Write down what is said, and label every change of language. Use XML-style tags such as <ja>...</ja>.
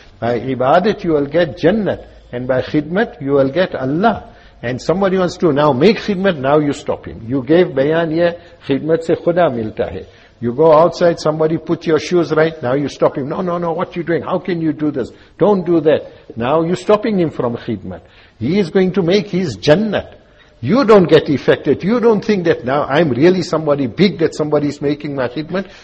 <en>By عبادت you will get جنت and by خدمت you will get Allah. And somebody wants to now make خدمت, now you stop him. You gave</en> <ur>بیان یہ خدمت سے خدا ملتا ہے.</ur> <en>You go outside, somebody put your shoes right, now you stop him. No, what you doing? How can you do this? Don't do that. Now you're stopping him from khidmat. He is going to make his jannat. You don't get affected. You don't think that now I'm really somebody big, that somebody is making my khidmat.</en>